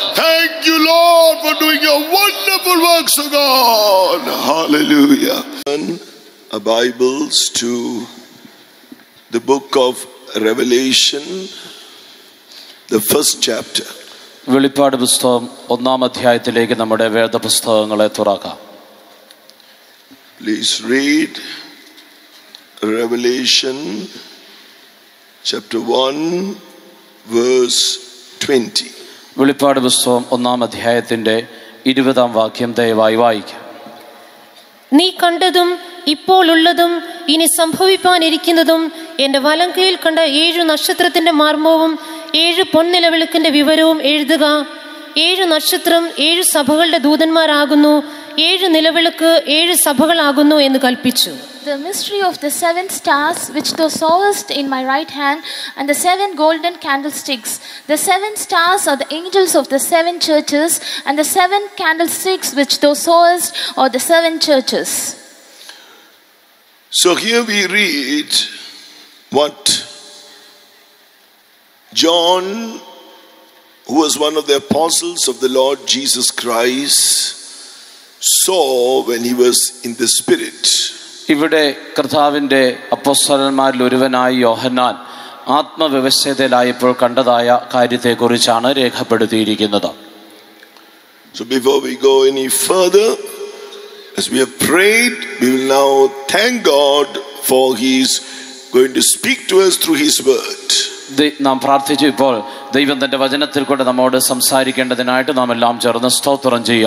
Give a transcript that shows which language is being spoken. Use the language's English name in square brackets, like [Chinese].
[English] Thank you, Lord, for doing your wonderful works, oh God. Hallelujah. Turn our Bibles to the book of Revelation, the first chapter. [Malayalam] വെളിപ്പാട് പുസ്തകം ഒന്നാം അധ്യായത്തിലേക്ക് നമ്മുടെ വേദപുസ്തകങ്ങളെ തുറക്കാം. [English] Please read Revelation chapter 1 verse 20. [Malayalam] വെളിപ്പാട് പുസ്തകം ഒന്നാം അധ്യായത്തിന്റെ 20-ാം വാക്യം ദയവായി വായിക്കുക. നീ കണ്ടതും ഇപ്പോൾ ഉള്ളതും ഇനി സംഭവിപ്പാനിരിക്കുന്നതും എന്റെ വലം കയ്യിൽ കണ്ട 7 നക്ഷത്രത്തിന്റെ മർമ്മവും 7 പൊന്നിലവിളക്കിന്റെ വിവരവും എഴുതുക. 7 നക്ഷത്രം 7 സഭകളുടെ ദൂതന്മാരാകുന്നു, 7 നിലവിളക്ക് 7 സഭകളാകുന്നു എന്ന് കൽപ്പിച്ചു. [English] The mystery of the 7 stars which thou sawest in my right hand and the 7 golden candlesticks. The 7 stars are the angels of the 7 churches and the 7 candlesticks which thou sawest are the 7 churches. So here we read what John who was one of the apostles of the Lord Jesus Christ, saw when he was in the spirit. [Malayalam] ഇവിടെ കർത്താവിന്റെ അപ്പോസ്തലന്മാരിൽ ഒരുവനായ യോഹന്നാൻ ആത്മവ്യവസ്ഥയിലായപ്പോൾ കണ്ടതായ കാര്യത്തെ കുറിച്ചാണ് രേഖപ്പെടുത്തിയിരിക്കുന്നത്. [English] So before we go any further, as we have prayed, we will now thank God for his going to speak to us through his word. [Malayalam] നാം പ്രാർത്ഥിച്ചു ഇപ്പോൾ ദൈവം തന്റെ വചനത്തിൽ കൂടെ നമ്മോട് സംസാരിക്കേണ്ടതിനായിട്ട് നാം എല്ലാം ചേർന്ന് സ്തോത്രം